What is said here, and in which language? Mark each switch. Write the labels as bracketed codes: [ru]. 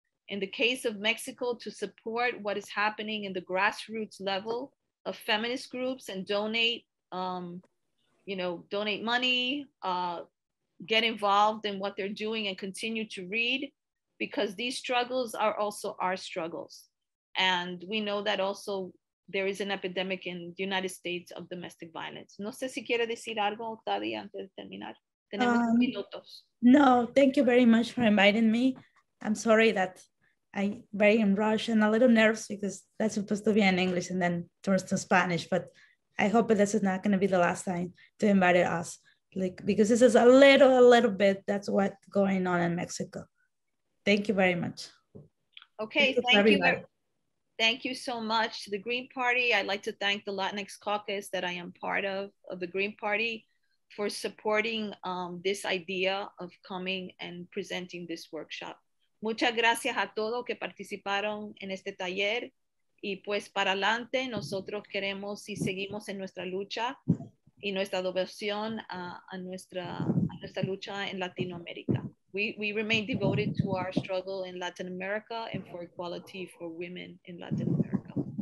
[en] In the case of Mexico, to support what is happening in the grassroots level of feminist groups and donate money, get involved in what they're doing and continue to read, because these struggles are also our struggles. And we know that also there is an epidemic in the United States of domestic violence. [es] No sé si quiere decir algo, Tadii, antes de terminar. Tenemos minutos. [en] No, thank you very much for inviting me. I'm sorry that I'm very in rush and a little nervous because that's supposed to be in English and then turns to Spanish, but I hope that this is not gonna be the last time to invite us, like, because this is a little bit, that's what's going on in Mexico. Thank you very much. Okay, thank you so much to the Green Party. I'd like to thank the Latinx caucus that I am part of the Green Party, for supporting this idea of coming and presenting this workshop. [es] Muchas gracias a todos que participaron en este taller y pues para adelante nosotros queremos y seguimos en nuestra lucha y nuestra devoción a nuestra lucha en Latinoamérica. [en] We remain devoted to our struggle in Latin America and for equality for women in Latin America.